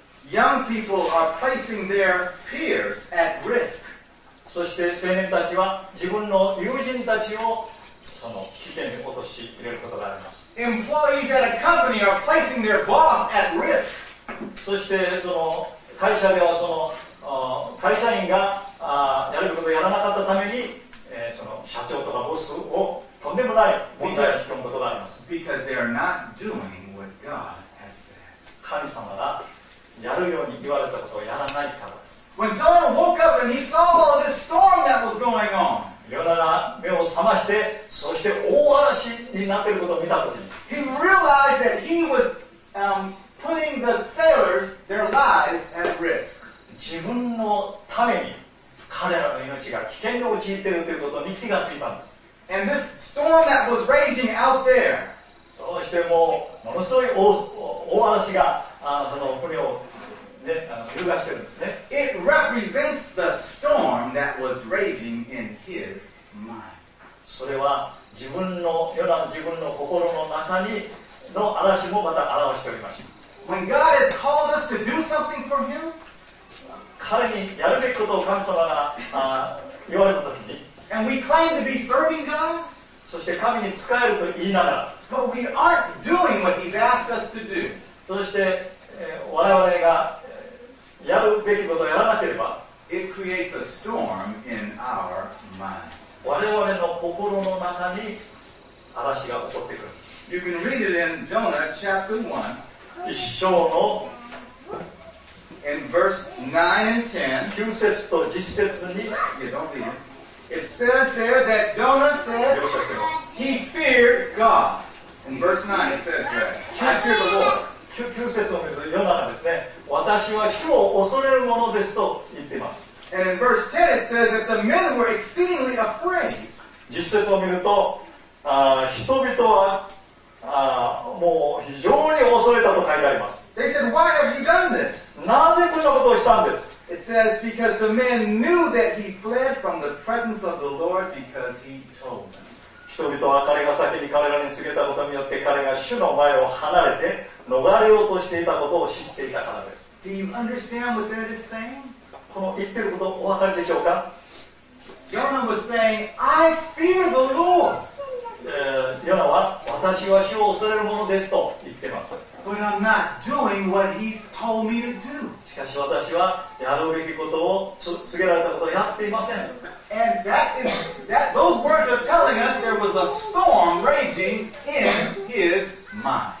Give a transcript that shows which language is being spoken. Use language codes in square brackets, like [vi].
[en] Young people are placing their peers at risk. [ja] そして青年たちは自分の友人たちをその危険に陥れることがあります。 [en] Employees at a company are placing their boss at risk. [ja] そしてその会社ではその会社員がやれることをやらなかったために、その社長とかボスをとんでもない問題を引き込むことがあります。 [en] Because they are not doing what God has said. [ja] 神様がやるように言われたことをやらないからです。 [en] When Jonah woke up and he saw all this storm that was going on. [ja] ヨナが目を覚まして、そして大嵐になっていることを見たときに、 [en] he realized that he was putting the sailors their lives at risk. [ja] 自分のために彼らの命が危険に陥っているということに気がついたんです。 [en] And this storm that was raging out there. [ja] そしてもうものすごい 大嵐がその船を、ね、揺るがしているんですね。 [en] It represents the storm that was raging in his mind. [ja] それは自分の、ヨナの自分の心の中にの嵐もまた表しておりました。 [en] When God has called us to do something for him, [ja] 彼にやるべきことを神様が言われたときに、 [en] And we claim to be serving God? [ja] そして神に仕えると言いながら、 [en] But we aren't doing what He's asked us to do. [ja] そして、我々がやるべきことをやらなければ、 [en] It creates a storm in our mind. [ja] 我々の心の中に嵐が起こってくる。 [en] You can read it in Jonah chapter 1. [ja] 一章の [en] In verse 9 and 10, [ja] 9節と10節に、 [en] it says there that Jonah said, he feared God. In verse 9 it says that, I fear the Lord. [ja] 9節を見るとヨナがですね、私は主を恐れるものですと言っています。 [en] And in verse 10 it says that the men were exceedingly afraid. [ja] 10節を見ると、人々はもう非常に恐れたと書いてあります。 [en] They said, why have you done this? [ja] なぜこんなことをしたんです。 [en] It says, because the men knew that he fled from the presence of the Lord because he told them. [ja] 人々は彼が先に彼らに告げたことによって彼が主の前を離れて逃れようとしていたことを知っていたからです。 [en] Do you understand what that is saying? [ja] この言ってることお分かりでしょうか。 [en] Jonah was saying, I fear the Lord. [ja] ヨナは私は主を恐れるものですと言ってます。 [en] But I'm not doing what he's told me to do. [ja] しかし私はやるべきことを告げられたことをやっていません。 [en] And those words are telling us there was a storm raging in his mind.